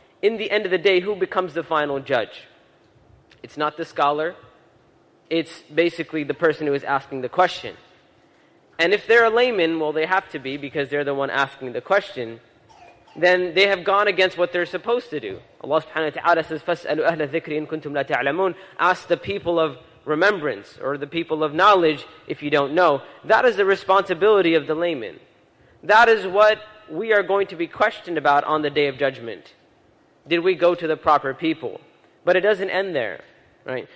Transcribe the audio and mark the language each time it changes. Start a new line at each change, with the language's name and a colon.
English: In the end of the day, who becomes the final judge? It's not the scholar. It's basically the person who is asking the question. And if they're a layman, well, they have to be, because they're the one asking the question, then they have gone against what they're supposed to do. Allah subhanahu wa ta'ala says,
Arabic: فَاسْأَلُوا أَهْلَ ذِكْرِ إِن كُنْتُمْ لَا تَعْلَمُونَ.
English: Ask the people of remembrance, or the people of knowledge, if you don't know. That is the responsibility of the layman. That is what we are going to be questioned about on the Day of Judgment. Did we go to the proper people? But it doesn't end there, right?